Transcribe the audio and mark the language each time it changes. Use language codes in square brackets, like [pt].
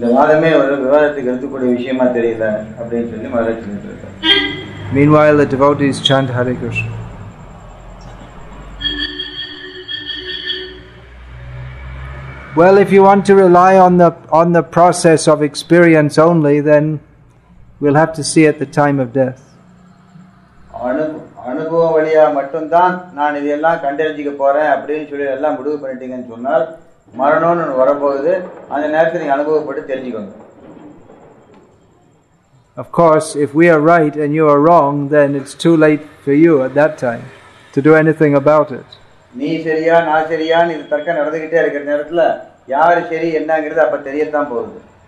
[en] Meanwhile, the devotees chant Hare Krishna. Well, if you want to rely on the process of experience only, then we'll have to see at the time of death. [ta] அனுபவம் வழியா மட்டும்தான் நான் இதையெல்லாம் கண்டறிஞ்சிக்க போறேன் அப்படின்னு சொல்லி எல்லாம் முடிவு பண்ணிட்டீங்கன்னு சொன்னால் மரணம்னு வரப்போகுது, அந்த நேரத்தில் நீங்க அனுபவப்பட்டு தெரிஞ்சுக்கோங்க. [en] Of course, if we are right and you are wrong, then it's too late for you at that time to do anything about it. [ta] நீ சரியா நான் சரியான்னு இது தர்க்கம் நடந்துகிட்டே இருக்கிற நேரத்தில் யார் சரி என்னங்கிறது அப்ப தெரியத்தான் போகுது.